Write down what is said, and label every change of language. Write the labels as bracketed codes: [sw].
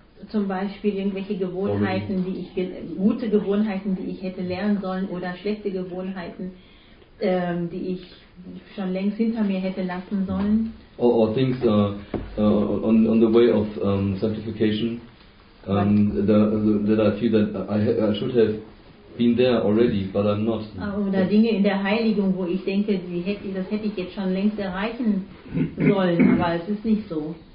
[de] Zum Beispiel irgendwelche Gewohnheiten, die ich gute Gewohnheiten, die ich hätte lernen sollen, oder schlechte Gewohnheiten, die ich schon längst hinter mir hätte lassen sollen. [en] Or things on the way of sanctification. That I feel that I should have been there already, but I'm not. [de] Oder Dinge in der Heiligung, wo ich denke, das hätte ich jetzt schon längst erreichen sollen, aber es ist nicht so.